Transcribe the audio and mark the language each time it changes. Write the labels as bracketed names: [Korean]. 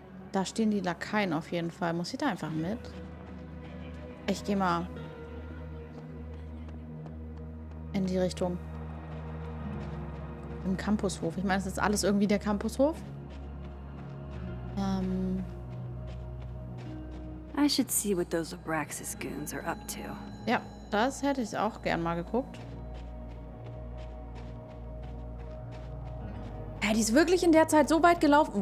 [German] Da stehen die Lakaien auf jeden Fall. Muss sie da einfach mit? Ich gehe mal in die Richtung. Im Campushof. Ich meine, es ist alles irgendwie der Campushof. [English] I should see what those Abraxas goons are up to. [German] Ja, das hätte ich auch gern mal geguckt. Hä, die ist wirklich in der Zeit so weit gelaufen.